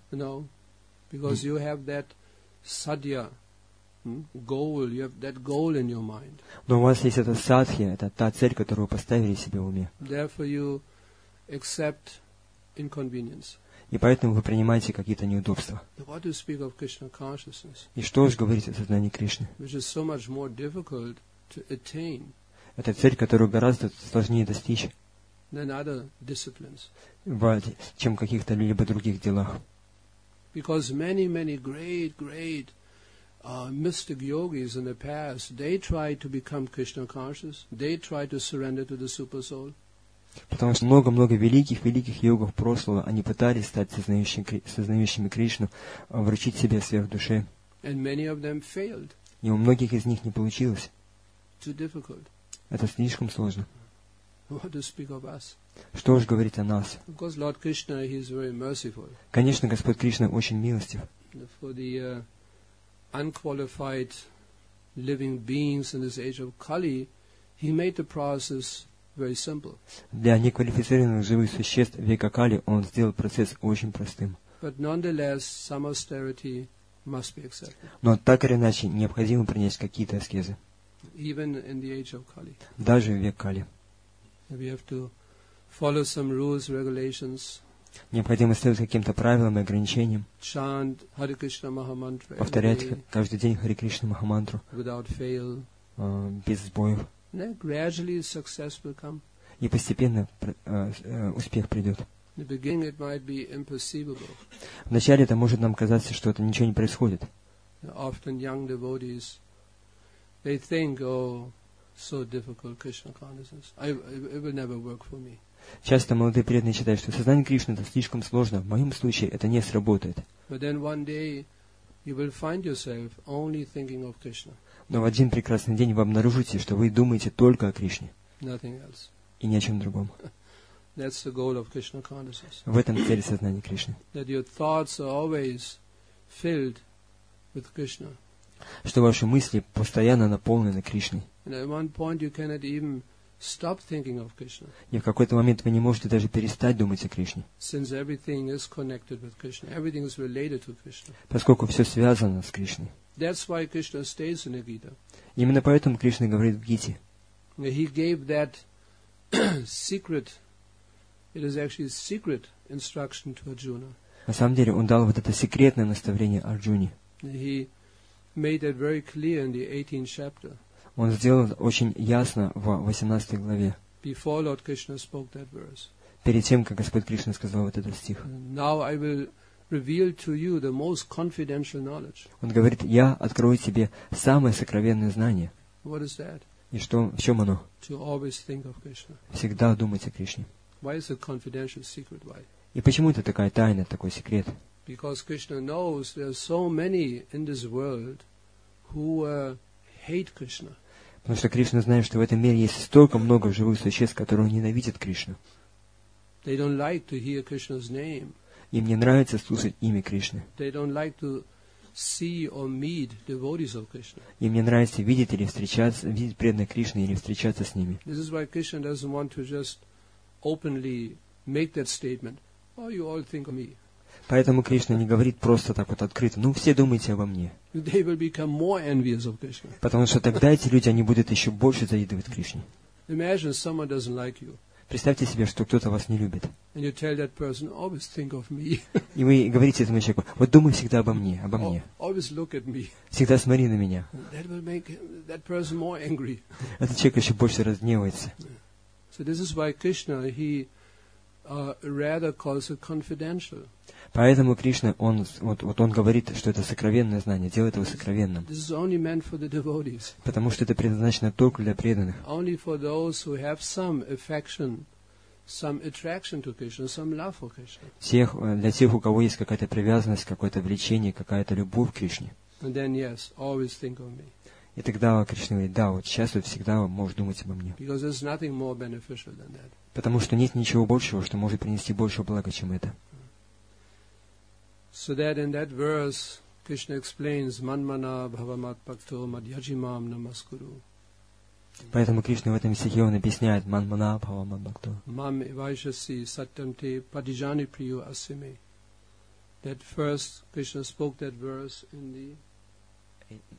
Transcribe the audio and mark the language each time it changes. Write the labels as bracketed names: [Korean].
[English] No, because you have that sadhya goal, you have that goal in your mind. [Russian] Но у вас есть эта садхья, это та цель, которую вы поставили себе в уме. [English] Therefore you accept inconvenience. [Russian] И поэтому вы принимаете какие-то неудобства. [English] What do you speak of Krishna consciousness? [Russian] И что же говорить о сознании Кришны? [English] Which is so much more difficult to attain. [Russian] Это цель, которую гораздо сложнее достичь. [English] Than other disciplines. [Russian] Чем в каких-то либо других делах. [English] Because many, many great, great mystic yogis in the past, they tried to become Krishna conscious. They tried to surrender to the super soul. [Russian] Потому что много-много великих-великих йогов прошлого, они пытались стать сознающими Кришну, вручить себя сверх душе. [English] And many of them failed. [Russian] И у многих из них не получилось. [English] Too difficult. [Russian] Это слишком сложно. [English] What to speak of us? [Russian] Что уж говорить о нас? [English] Of course, Lord Krishna, he is very merciful. [Russian] Конечно, Господь Кришна очень милостив. [English] For the unqualified living beings in this age of Kali, he made the process very simple. [Russian] Для неквалифицированных живых существ века Кали он сделал процесс очень простым. [English] But nonetheless, some austerity must be accepted. [Russian] Но так или иначе, необходимо принять какие-то аскезы. [English] Even in the age of Kali. [Russian] Даже в век Кали. [English] We have to follow some rules, regulations. [Russian] Необходимо следовать каким-то правилам и ограничениям. [English] Chant Hare Krishna Maha Mantra. [Russian] Повторять каждый день Hare Krishna Maha Mantra. [English] Without fail. [Russian] Без сбоев. [English] And then gradually success will come. [Russian] И постепенно успех придет. [English] In the beginning it might be imperceivable. [Russian] Вначале это может нам казаться, что это ничего не происходит. [English] Often young devotees, they think, oh, so difficult, Krishna consciousness. It will never work for me. [Russian] Часто молодые преданные считают, что сознание Кришны это слишком сложно. В моем случае это не сработает. [English] But then one day you will find yourself only thinking of Krishna. [Russian] Но в один прекрасный день вы обнаружите, что вы думаете только о Кришне. [English] Nothing else. [Russian] И ни о чем другом. [English] That's the goal of Krishna consciousness. [Russian] В этом цель сознания Кришны. [English] That your thoughts are always filled with Krishna. [Russian] Что ваши мысли постоянно наполнены Кришной. [English] And at one point you cannot even stop thinking of Krishna. [Russian] И в какой-то момент вы не можете даже перестать думать о Кришне. [English] Since everything is connected with Krishna, everything is related to Krishna. [Russian] Поскольку все связано с Кришной. [English] That's why Krishna stays in the Gita. [Russian] Именно поэтому Кришна говорит в Гите. [English] He gave that secret. It is actually a secret instruction to Arjuna. [Russian] На самом деле он дал вот это секретное наставление Арджуне. [English] He made that very clear in the 18th chapter. [Russian] Он сделал очень ясно в 18 главе. [English] Before Lord Krishna spoke that verse. [Russian] Перед тем, как Господь Кришна сказал вот этот стих. [English] Now I will reveal to you the most confidential knowledge. [Russian] Он говорит, я открою тебе самое сокровенное знание. [English] What is that? [Russian] И что, в чем оно? [English] To always think of Krishna. [Russian] Всегда думать о Кришне. [English] Why is it confidential secret? Why? [Russian] И почему это такая тайна, такой секрет? [English] Because Krishna knows there are so many in this world who hate Krishna. [Russian] Потому что Кришна знает, что в этом мире есть столько много живых существ, которые ненавидят Кришну. [English] They don't like to hear Krishna's name. [Russian] Им не нравится слушать имя Кришны. [English] They don't like to see or meet devotees of Krishna. [Russian] Им не нравится видеть или встречаться, видеть преданных Кришны или встречаться с ними. [English] This is why Krishna doesn't want to just openly make that statement. Oh, you all think of me. [Russian] Поэтому Кришна не говорит просто так вот открыто. Ну, все думайте обо мне. [English] They will become more envious of Krishna. [Russian] Потому что тогда эти люди, они будут еще больше завидовать Кришне. [English] Imagine someone doesn't like you. [Russian] Представьте себе, что кто-то вас не любит. [English] And you tell that person, always think of me. [Russian] И вы говорите этому человеку, вот думай всегда обо мне, обо мне. [English] Always look at me. [Russian] Всегда смотри на меня. [English] That will make that person more angry. [Russian] Этот человек еще больше разгневается. [English] So this is why Krishna, he rather calls it confidential. [Russian] Поэтому Кришна, он говорит, что это сокровенное знание, делает его сокровенным. [English] This is only meant for the devotees. [Russian] Потому что это предназначено только для преданных. [English] Only for those who have some affection, some attraction to Krishna, some love for Krishna. [Russian] Всех, для тех, у кого есть какая-то привязанность, какое-то влечение, какая-то любовь к Кришне. [English] And then, yes, always think of me. [Russian] И тогда Кришна говорит, да, вот сейчас вы всегда можете думать обо мне. [English] Because there's nothing more beneficial than that. [Russian] Потому что нет ничего большего, что может принести больше блага, чем это. [English] So that in that verse, Krishna explains, [Sanskrit] Manmana Bhavamat Bhakto Madhyajimam Namaskuru. [Russian] Поэтому Кришна в этом стихе он объясняет [Sanskrit] Манмана Бхавамат Бхакто. Мам Вайшаси Саттам Те Падижани Прию Асиме. [English] That first Krishna spoke that verse in the